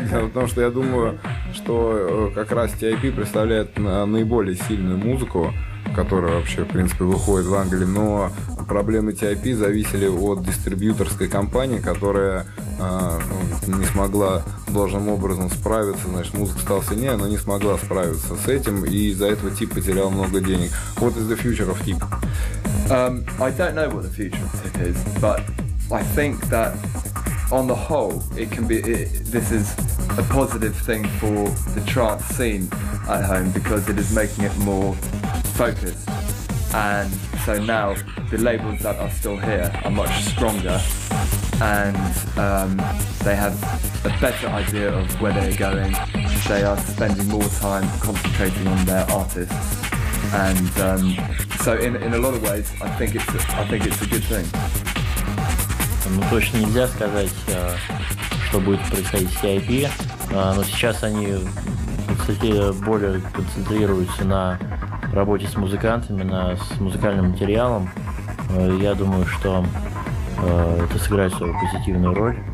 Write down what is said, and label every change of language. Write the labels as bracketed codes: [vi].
[ru] Дело в том, что я думаю, что как раз TIP представляет наиболее сильную музыку, которая вообще, в принципе, выходит в Англии. Но проблемы TIP зависели от дистрибьюторской компании, которая не смогла должным образом справиться. Значит, музыка стала сильнее, но не смогла справиться с этим. И из-за этого TIP потерял много денег. [en] What is the future of TIP? I don't know what the future of TIP is, but I think that on the whole, this is a positive thing for the trance scene at home because it is making it more focused. And so now the labels that are still here are much stronger and they have a better idea of where they're going. They are spending more time concentrating on their artists. And so in a lot of ways I think it's a good thing. [ru] Ну точно нельзя сказать, что будет происходить с TIP, но сейчас они, кстати, более концентрируются на работе с музыкантами, с музыкальным материалом. Я думаю, что это сыграет свою позитивную роль.